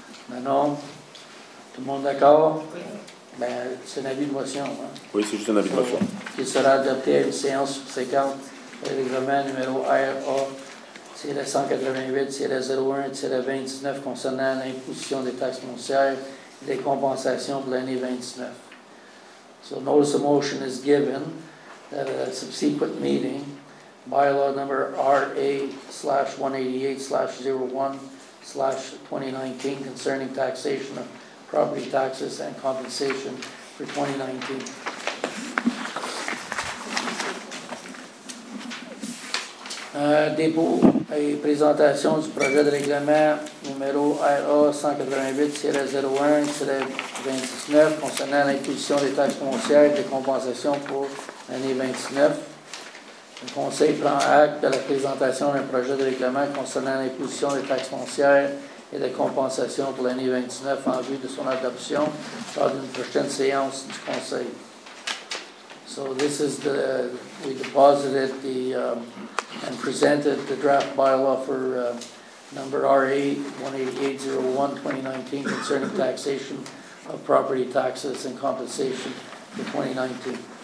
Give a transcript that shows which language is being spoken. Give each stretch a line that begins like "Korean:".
French: Manon, tout le monde d'accord? Ben, c'est un avis de motion. Hein? Oui, c'est juste un avis de motion. Qui sera adopté à une séance subséquente. Règlement numéro RA-188-01-29 concernant l'imposition des taxes foncières et des compensations pour l'année 2019.
English: So, notice of motion is given that a subsequent meeting. Bylaw number RA-188-01-2019 concerning taxation of property taxes and compensation for 2019.
French: Dépôt et présentation du projet de règlement numéro RA-188-01-29 concernant l'imposition des taxes foncières et des compensations pour l'année 2029. Le Conseil prend acte de la présentation d'un projet de règlement concernant l'imposition des taxes foncières et des compensations pour l'année 2029 en vue de son adoption lors d'une prochaine séance du Conseil.
English: So this is the, we deposited the, and presented the draft bylaw for number RA-188-01-2019 concerning taxation of property taxes and compensation for 2019.